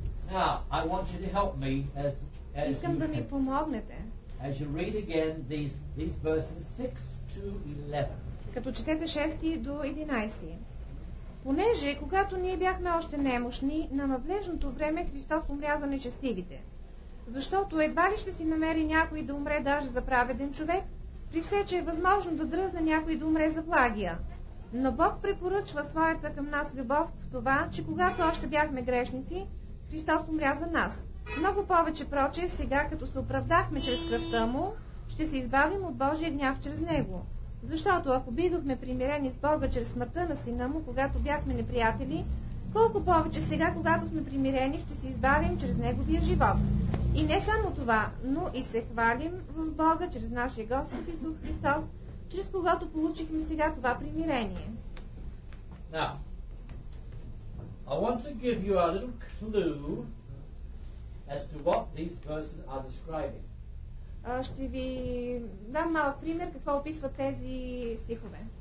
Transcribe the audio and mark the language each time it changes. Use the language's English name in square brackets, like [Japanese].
[English] Now, I want you to help me as [Bulgarian] искам да ми помогнете. [English] As you read again these verses 6 to 11. [Bulgarian] Като четете 6 до 11. Понеже, когато ние бяхме още немощни, на надлежното време Христос умря за нечестивите. Защото едва ли ще си намери някой да умре даже за праведен човек, при все, че е възможно да дръзне някой да умре за плагия. Но Бог препоръчва своята към нас любов в това, че когато още бяхме грешници, Христос умря за нас. Много повече проче, сега като се оправдахме чрез кръвта му, ще се избавим от Божия гняв чрез него. Защото ако бидохме примирени с Бога чрез смъртта на сина му, когато бяхме неприятели, колко повече сега, когато сме примирени, ще се избавим чрез неговия живот. И не само това, но и се хвалим в Бога чрез нашия Господ Исус Христос, чрез когато получихме сега това примирение. [English] Now, I want to give you a little clue as to what these verses are describing. [Bulgarian] Ще ви дам малък пример какво описват тези стихове.